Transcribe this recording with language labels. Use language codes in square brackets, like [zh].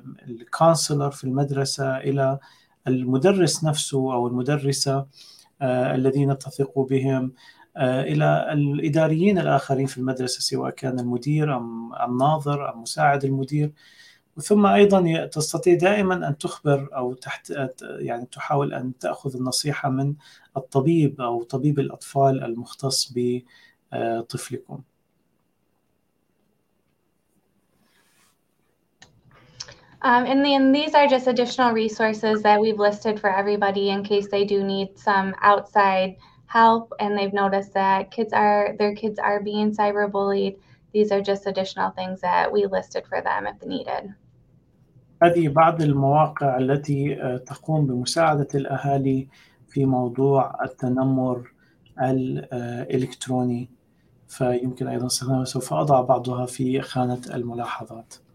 [ar] الكونسلر في المدرسة إلى المدرس نفسه أو المدرسة الذين تثق بهم، إلى الإداريين الآخرين في المدرسة سواء كان المدير أم الناظر أم مساعد المدير. ثم أيضا تستطيع دائما أن تخبر أو تحت يعني تحاول أن تأخذ النصيحة من الطبيب أو طبيب الأطفال المختص بطفلكم. [en] So And then these are just additional resources that we've listed for everybody in case they do need some outside help and they've noticed that their kids are being cyberbullied. These are just additional things that we listed for them if needed. [ar] هذه بعض المواقع التي تقوم بمساعدة الأهالي في موضوع التنمر الإلكتروني فيمكن أيضا استخدامها سوف أضع بعضها في خانة الملاحظات.